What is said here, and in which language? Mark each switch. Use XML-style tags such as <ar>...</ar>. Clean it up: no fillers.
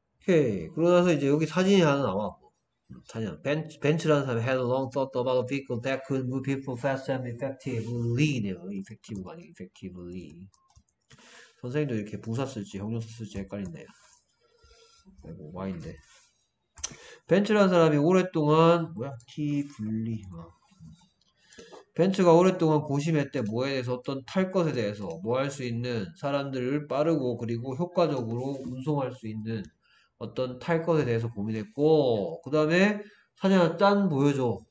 <ko>오케이. 그러고 나서 이제 여기 사진이 하나 나왔고. 사진. 벤츠라는 사람이</ko> <en>had long thought about a vehicle that could move people fast and effectively. 네, effectively.</en> <ko>선생님도 이렇게 부사 쓸지 형용사 쓸지 헷갈린대요. 아이고, 와인데. 벤츠라는 사람이 오랫동안 뭐야? 티 분리. 벤츠가 오랫동안 고심했대. 뭐에 대해서 어떤 탈 것에 대해서 뭐할수 있는 사람들을 빠르고 그리고 효과적으로 운송할 수 있는 어떤 탈 것에 대해서 고민했고, 그 다음에 사진 하나 짠 보여줘.</ko>